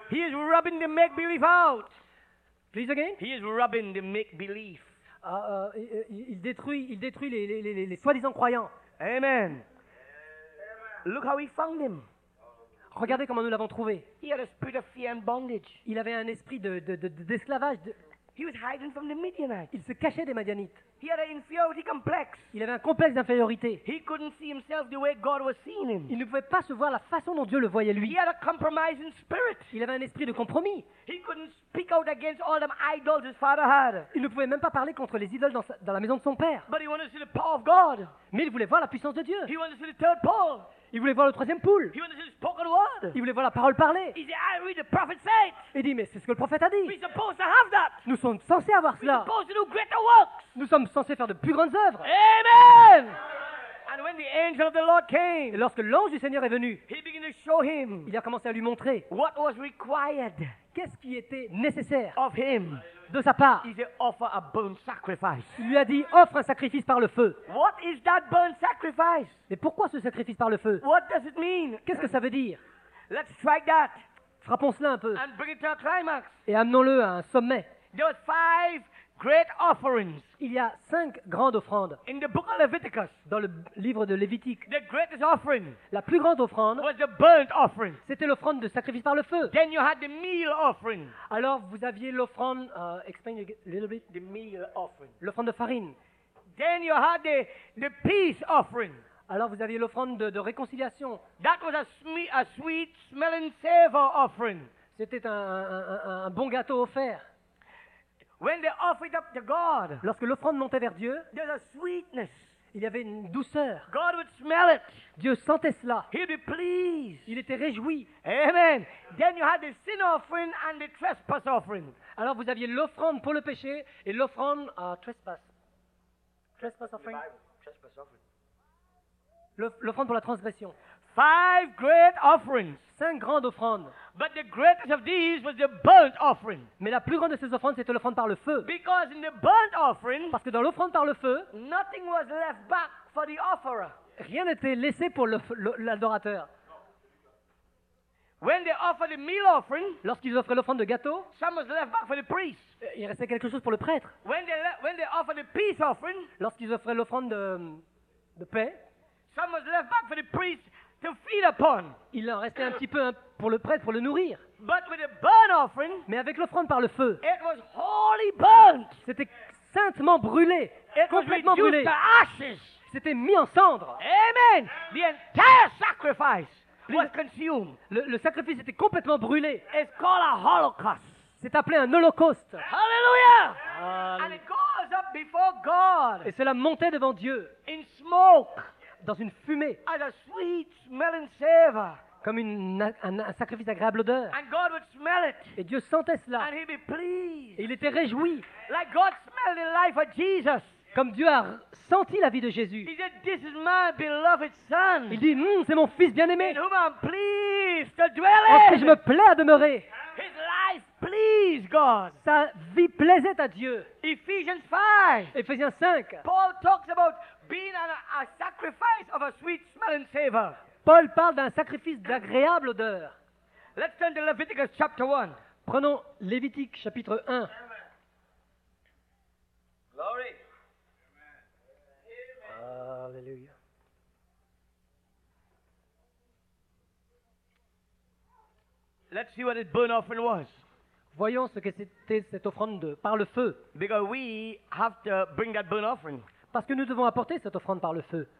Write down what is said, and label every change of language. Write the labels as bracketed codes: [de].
[en] He is rubbing the make-believe out. Please again. He is rubbing the make-believe. [fr] Il détruit les soi-disant croyants. [en] Amen. Look how we found him. [fr] Regardez comment nous l'avons trouvé. [en] He had a spirit of fear and bondage. [fr] Il avait un esprit d'esclavage. [en] He was hiding from the Midianites. [fr] Il se cachait des Midianites. [en] He had an inferiority complex. [fr] Il avait un complexe d'infériorité. [en] He couldn't see himself the way God was seeing him. [fr] Il ne pouvait pas se voir la façon dont Dieu le voyait lui. [en] He had a compromising spirit. [fr] Il avait un esprit de compromis. [en] He couldn't speak out against all them idols his father had. [fr] Il ne pouvait même pas parler contre les idoles dans la maison de son père. [en] But he wanted to see the power of God. [fr] Mais il voulait voir la puissance de Dieu. [en] He wanted to see the third pole. [fr] Il voulait voir le troisième poule. [en] He wanted to see the spoken word. [fr] Il voulait voir la parole parler. [en] He said, I read the prophet said. [fr] Il dit, mais c'est ce que le prophète a dit. [en] We're supposed to have that. [fr] Nous sommes censés avoir cela. [en] We're supposed to do greater works. [fr] Nous sommes censés faire de plus grandes œuvres. [en] Amen. And when the angel of the Lord came, [fr] et lorsque l'ange du Seigneur est venu, [en] he began to show him, [fr] il a commencé à lui montrer [en] what was required, [fr] qu'est-ce qui était nécessaire [en] of him, [fr] de sa part. [en] He said, offer a burnt sacrifice. [fr] Il lui a dit, offre un sacrifice par le feu. [en] What is that burnt sacrifice? [fr] Mais pourquoi ce sacrifice par le feu? [en] What does it mean? [fr] Qu'est-ce que ça veut dire? [en] Let's try that. [fr] Frappons cela un peu. [en] And bring it to a climax. [fr] Et amenons-le à un sommet. [en] There were five great offerings. [fr] Il y a cinq grandes offrandes. [en] In the book of Leviticus, [fr] dans le livre de Lévitique. [en] The greatest offering, [fr] la plus grande offrande, [en] was the burnt offering. [fr] C'était l'offrande de sacrifice par le feu. [en] Then you had the meal offering. [fr] Alors vous aviez l'offrande, [en] explain a little bit. The meal offering. [fr] L'offrande de farine. [en] Then you had the peace offering. [fr] Alors vous aviez l'offrande de réconciliation. [en] That was a sweet smelling savor offering. [fr] C'était un bon gâteau offert. [en] When they offered up to God, [fr] lorsque l'offrande montait vers Dieu, [en] there's a sweetness. [fr] Il y avait une douceur. [en] God would smell it. [fr] Dieu sentait cela. [en] He'd be pleased. [fr] Il était réjoui. [en] Amen. Then you had the sin offering and the trespass offering. [fr] Alors vous aviez l'offrande pour le péché et l'offrande à trespass. [en] Trespass offering. Trespass offering. [fr] L'offrande pour la transgression. [en] Five great offerings. [fr] Cinq grandes offrandes. [en] But the greatest of these was the burnt offering. [fr] Mais la plus grande de ces offrandes c'était l'offrande par le feu. [en] Because in the burnt offering, [fr] parce que dans l'offrande par le feu, [en] nothing was left back for the offerer. [fr] Rien n'était laissé pour l'adorateur. [en] When they offered the meal offering, [fr] lorsqu'ils offraient l'offrande de gâteau, [en] some was left back for the priest. [fr] Il restait quelque chose pour le prêtre. [en] When they offered the peace offering, [fr] lorsqu'ils offraient l'offrande de paix, [en] some was left back for the priest. To feed upon. [fr] Il en restait un petit peu pour le prêtre, pour le nourrir. [en] But with a burnt offering, [fr] mais avec l'offrande par le feu, [en] it was wholly burnt. [fr] C'était saintement brûlé, [en] it [fr] complètement [en] was reduced [fr] brûlé. [en] To ashes. [fr] C'était mis en cendres. [en] Amen. The entire sacrifice was consumed. [fr] Le sacrifice était complètement brûlé. [en] It's called a holocaust. [fr] C'est appelé un holocauste. [en] Hallelujah. And it goes up before God. [fr] Et cela montait devant Dieu. [en] In smoke. [fr] Dans une fumée. [en] As a sweet smelling savor. [fr] Comme un sacrifice d'agréable odeur. [en] And God would smell it. [fr] Et Dieu sentait cela. [en] And he'd be pleased. [fr] Et il était réjoui. [en] Like God smelled the life of Jesus. [fr] Comme Dieu a senti la vie de Jésus. [en] He said, "This is my beloved son." [fr] Il dit, c'est mon fils bien-aimé. [en] In whom I'm pleased to dwell in. [fr] En qui je me plais à demeurer. [en] His life pleased God. [fr] Sa vie plaisait à Dieu. [en] Ephesians 5. [fr] Ephésiens 5. [en] Paul talks about being a sacrifice of a sweet smelling savor. [fr] Paul parle d'un sacrifice d'agréable odeur. [en] Let's turn to Leviticus chapter 1. [fr] Prenons Lévitique chapitre 1. [en] Amen. Glory. [fr] Amen. Alléluia. [en] Let's see what the burnt offering was. [fr] Voyons ce que c'était cette offrande par le feu. [en] Because we have to bring that burnt offering. [fr] Parce que nous devons apporter cette offrande par le feu.